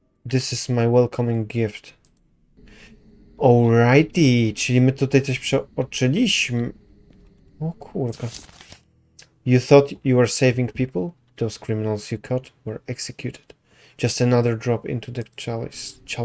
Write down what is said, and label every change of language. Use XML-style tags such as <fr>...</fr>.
<en>This is my welcoming gift.</en> <pl>Alrighty, czyli my tutaj coś przeoczyliśmy. O kurka.</pl> <en>You thought you were saving people? Those criminals you caught were executed. Just another drop into the chalice.</en>